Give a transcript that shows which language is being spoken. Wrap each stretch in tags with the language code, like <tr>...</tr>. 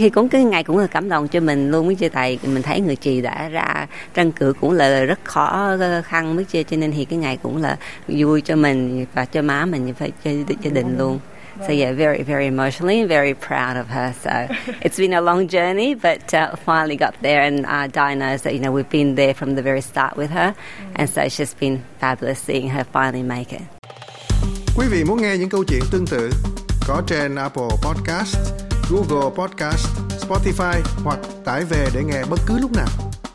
<vi>Cái ngày cũng là cảm động cho mình luôn, với chị thầy mình thấy người chị đã ra tranh cử cũng là rất khó khăn với chị, cho nên thì cái ngày cũng là vui cho mình và cho má mình và cho gia đình luôn.</vi> <en>So yeah, very very emotionally very proud of her. So it's been a long journey, but finally got there. And Di knows that, you know, we've been there from the very start with her, and so it's just been fabulous seeing her finally make it.</en> <vi>Quý vị muốn nghe những câu chuyện tương tự có trên Apple Podcast, Google Podcast, Spotify hoặc tải về để nghe bất cứ lúc nào.</vi>